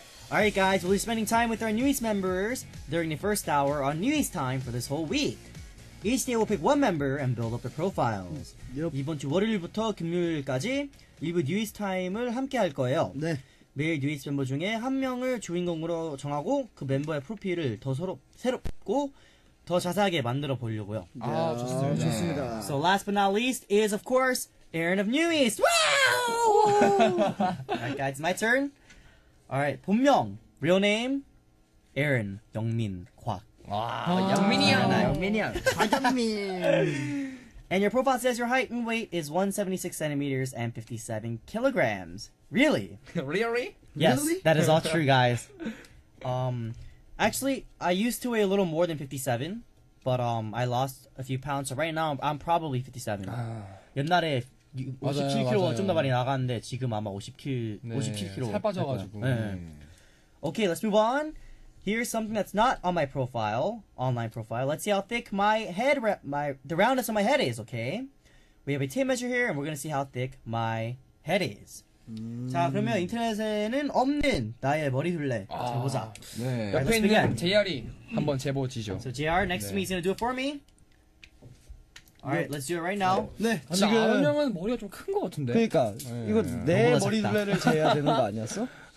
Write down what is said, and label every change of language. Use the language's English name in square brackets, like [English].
[English] Alright guys, we'll be spending time with our newest members during the first hour on New East Time for this whole week. Each day we'll pick one member and build up their profiles. Yep. [Korean] 이번 주 월요일부터 금요일까지 일부 New East Time을 함께 할 거예요. 네. 매일 New East 멤버 중에 한 명을 주인공으로 정하고 그 멤버의 프로필을 더 새롭고 더 자세하게 만들어 보려고요. 아, 좋습니다. 네. 좋습니다. [English] So last but not least is of course Aron of New East. Wow! Alright guys, my turn. Alright, [Korean] 본명, [English] real name, Aron, 영민, 곽. [Korean] 와, 영민이 형. 영민이 형. 곽영민. [English] And your profile says your height and weight is 176 centimeters and 57 kilograms. Really? Really? Yes, that is all true, guys. Actually, I used to weigh a little more than 57, but I lost a few pounds, so right now I'm probably 57. [Korean] 옛날에 57kg 좀 더 많이 나갔는데 지금 아마 57kg 살 빠져가지고. 네. [English] Okay, let's move on. Here's something that's not on my profile, online profile. Let's see how thick my head, the roundness of my head is. Okay, we have a tape measure here, and we're gonna see how thick my head is. [Korean] 자 그러면 인터넷에는 없는 나의 머리 둘레 재보자. 네. 옆에 있는 JR이 한번 재보지죠. [English] So JR next to me is gonna do it for me. Alright, let's do it right now. [Korean] 네, 아니, 지금 아론 형은 머리가 좀 큰 것 같은데. 그러니까 네, 이거 내 머리 둘레를 재야 되는 거 아니었어?